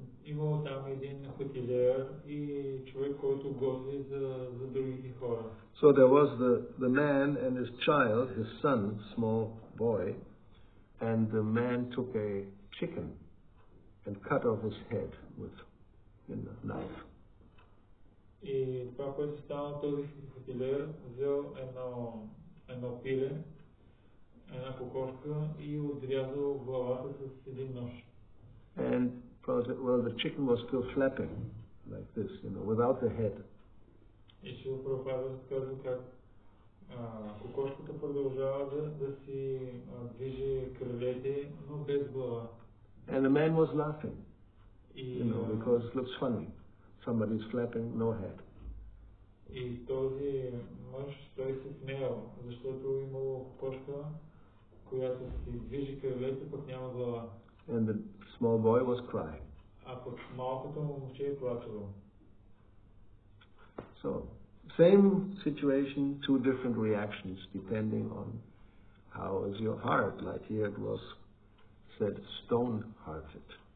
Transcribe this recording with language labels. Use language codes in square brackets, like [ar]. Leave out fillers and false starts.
[bg] имало там един хотелиер и човек, който гози за другите хора. [en] So there was the man and his child, his son, small boy, and the man took a chicken and cut off his head with a knife. [bg] И това, което стана, този хотелиер взел едно пиле, една кокошка и отрязал главата с един нож. [en] And well, the chicken was still flapping like this, you know, without the head. [bg] И Шил Прабхупада казва как кокошката продължава да си движи крилете, но без глава. [en] And the man was laughing, you know, because it looks funny. Somebody's flapping, no head. [bg] И този мъж, той се смеял, защото имало кокошка, която си движи крилете, пък няма глава. [en] And the small boy was crying. [bg] А пък малкото момче е плачело. [en] So, same situation, two different reactions depending on how is your heart. Like here it was said, stone hearted.